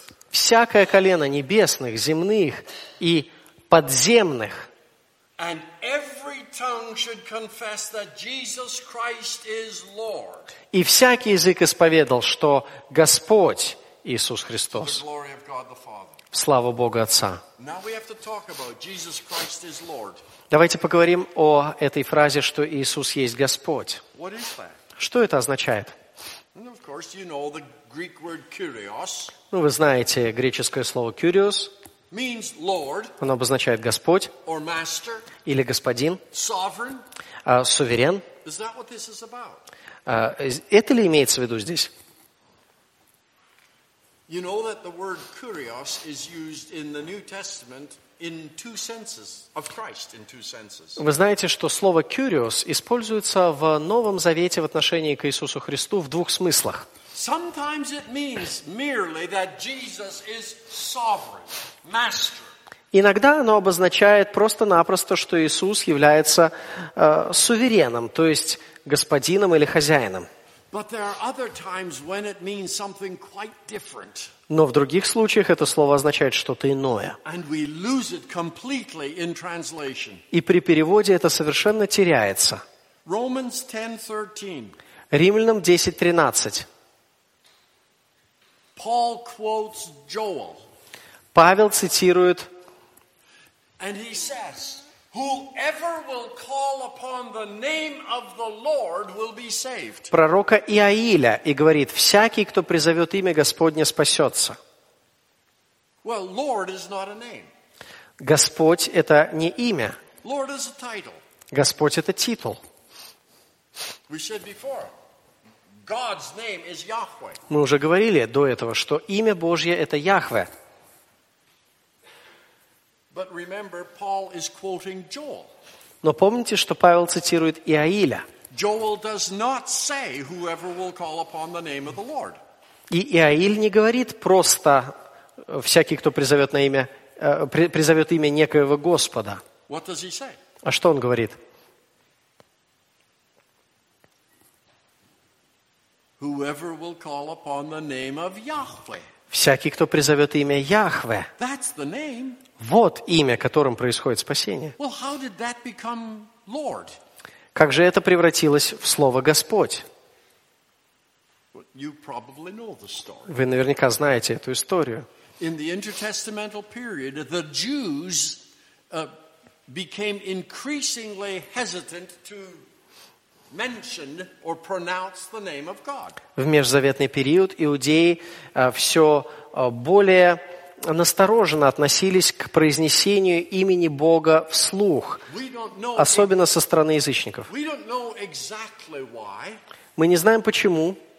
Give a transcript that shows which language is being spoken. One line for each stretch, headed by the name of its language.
Russian: Всякое колено небесных, земных и подземных.
English: And every tongue should confess that Jesus Christ is Lord.
Russian: И всякий язык исповедал, что Господь Иисус Христос. Слава Богу Отца.
English: Now we have to talk about Jesus Christ is Lord.
Russian: Давайте поговорим о этой фразе, что Иисус есть Господь.
English: What is that?
Russian: Что это означает?
English: And of course, you know the Greek word kurios.
Russian: Ну, вы знаете греческое слово kurios.
English: Means Lord.
Russian: Оно обозначает Господь.
English: Or Master.
Russian: Или Господин.
English: Sovereign.
Russian: Суверен.
English: Is that what this is about?
Russian: Это ли имеется в виду здесь?
English: You know that the word kurios is used in the New Testament in two senses of Christ in two senses.
Russian: Вы знаете, что слово kurios используется в Новом Завете в отношении к Иисусу Христу в двух смыслах.
English: Sometimes it means merely that Jesus is sovereign, master.
Russian: Иногда оно обозначает просто-напросто, что Иисус является сувереном, то есть господином или хозяином.
English: But there are other times when it means something quite different.
Russian: Но в других случаях это слово означает что-то иное.
English: And we lose it completely in translation.
Russian: И при переводе это совершенно теряется.
English: Romans 10:13.
Russian: Римлянам 10:13.
English: Paul quotes Joel.
Russian: Павел цитирует.
English: And he says, whoever will call upon the name of the Lord will be saved.
Russian: Пророка Иаиля и говорит, всякий, кто призовет имя Господне, спасется.
English: Well, Lord is not a name.
Russian: Господь это не имя.
English: Lord is a title.
Russian: Господь это титул.
English: We said before. God's name is Yahweh.
Russian: Мы уже говорили до этого, что имя Божье это Яхве.
English: But remember, Paul is quoting Joel.
Russian: Но помните, что Павел цитирует Иаиля.
English: Joel does not say whoever will call upon the name of the Lord.
Russian: И Иаиль не говорит просто всякий, кто призовет на имя призовет имя некоего Господа.
English: What does he say?
Russian: А что он говорит?
English: Whoever will call upon the name of Yahweh.
Russian: Всякий, кто призовет имя Яхве.
English: That's the name.
Russian: Вот имя, которым происходит спасение.
English: Well, how did that become Lord?
Russian: Как же это превратилось в слово Господь? Вы наверняка знаете эту историю.
English: In the intertestamental period, the Jews became increasingly hesitant to mention or pronounce the name of God.
Russian: В межзаветный период иудеи все более настороженно относились к произнесению имени Бога вслух, особенно со стороны язычников. Мы не знаем почему.